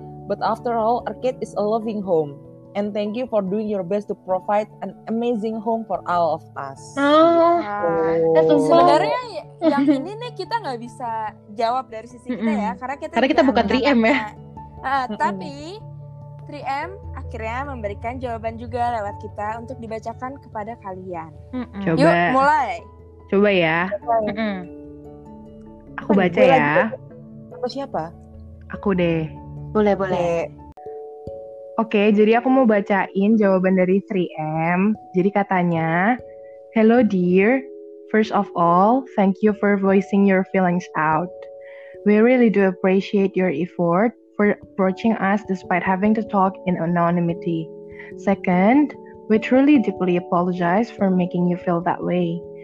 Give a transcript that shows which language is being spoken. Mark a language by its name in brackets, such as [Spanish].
[English] But after all, Arcade is a loving home. And thank you for doing your best to provide an amazing home for all of us. [Indonesian] Sebenarnya yang ini nih kita nggak bisa jawab dari sisi kita ya, karena kita bukan 3M ya. Tapi 3M akhirnya memberikan jawaban juga lewat kita untuk dibacakan kepada kalian. Coba. Yuk mulai. Coba ya. Aku baca ya. Aku siapa? Aku deh. Boleh. Oke, jadi aku mau bacain jawaban dari 3M. Jadi katanya, [English] "Hello dear, first of all, thank you for voicing your feelings out. We really do appreciate your effort for approaching us despite having to talk in anonymity. Second, we truly deeply apologize for making you feel that way.